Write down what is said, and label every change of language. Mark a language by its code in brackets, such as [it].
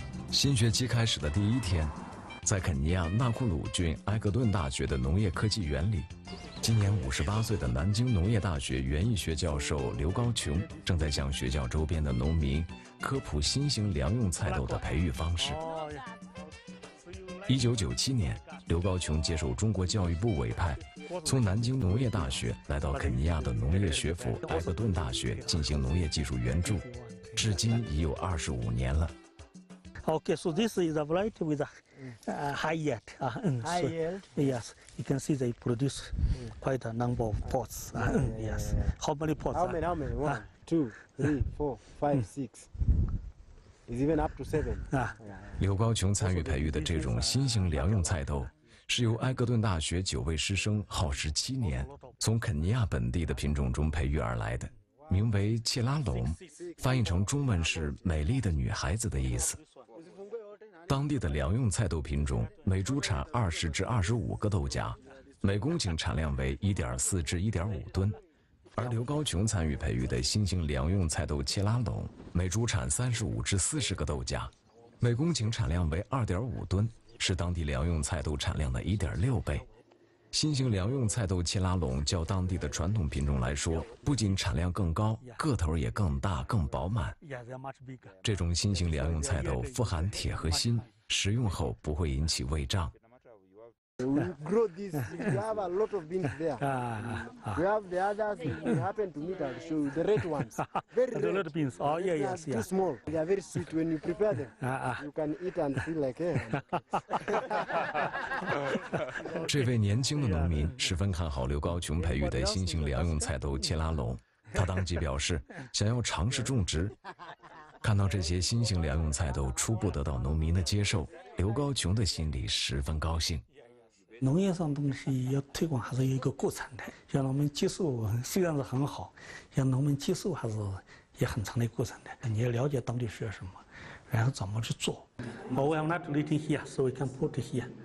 [zh] 新学期开始的第一天，在肯尼亚纳库鲁郡埃格顿大学的农业科技园里，今年58岁的南京农业大学园艺学教授刘高琼正在向学校周边的农民科普新型粮用菜豆的培育方式。 1997年，刘高琼接受中国教育部委派，从南京农业大学来到肯尼亚的农业学府埃格顿大学进行农业技术援助，至今已有25年了。 [en] Okay, so this is a variety with a high yield. High yield? Yes, you can see they produce quite a number of pods. Yes. How many pods? How many? One, two, three, four, five, six. It's even up to seven. [zh] 刘高琼参与培育的这种新型粮用菜豆，是由埃格顿大学9位师生耗时7年，从肯尼亚本地的品种中培育而来的。名为切拉龙，翻译成中文是美丽的女孩子的意思。当地的粮用菜豆品种每株产20至25个豆荚，每公顷产量为1.4至1.5吨。而刘高琼参与培育的新型粮用菜豆切拉龙每株产35至40个豆荚，每公顷产量为2.5吨，是当地粮用菜豆产量的1.6倍。新型粮用菜豆切拉龙较当地的传统品种来说，不仅产量更高，个头也更大更饱满。这种新型粮用菜豆富含铁和锌，食用后不会引起胃胀。 [en] We grow this, we have a lot of beans there. We have the others, we happen to meet and show the red ones. Very red. A lot of beans. Oh, yeah, yes, yeah. Too small. They are very sweet when you prepare them. You can eat and feel like it. [zh] 这位年轻的农民十分看好刘高琼培育的新型粮用菜豆切拉龙，他当即表示想要尝试种植。看到这些新型粮用菜豆初步得到农民的接受，刘高琼的心里十分高兴。农业上东西要推广还是有一个过程的，让农民接受虽然是很好，让农民接受还是也很长的过程的。你要了解当地需要什么，然后怎么去做。 [en] Oh, we are not leading here, so we can put here.